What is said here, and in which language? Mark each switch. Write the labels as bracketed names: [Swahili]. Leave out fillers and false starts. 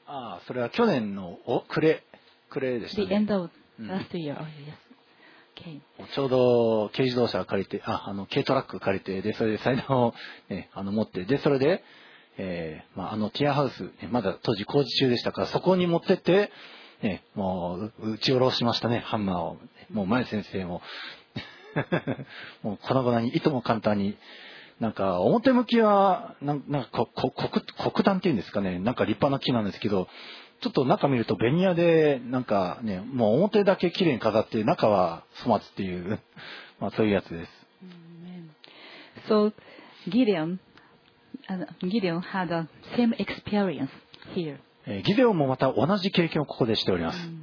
[Japanese] ああ、それは去年の暮れでしたね。 [English] The end of last year.、Oh, yes. Okay. [Japanese] ちょうど軽自動車借りて、軽トラック借りて、でそれで才能を、ね、持って、でそれで、まあ、あのティアハウス、ね、まだ当時工事中でしたから、そこに持ってって、ね、もう打ち下ろしましたね、ハンマーを。もう前先生も。もう粉々にいとも簡単に、なんか表向きはなんか黒檀っていうんですかね、なんか立派な木なんですけど、ちょっと中見るとベニヤでなんかね、もう表だけ綺麗に飾って中は粗末っていう、まあそういうやつです。 [English] So Gideon had the same experience here. [Japanese] ギデオンもまた同じ経験をここでしております。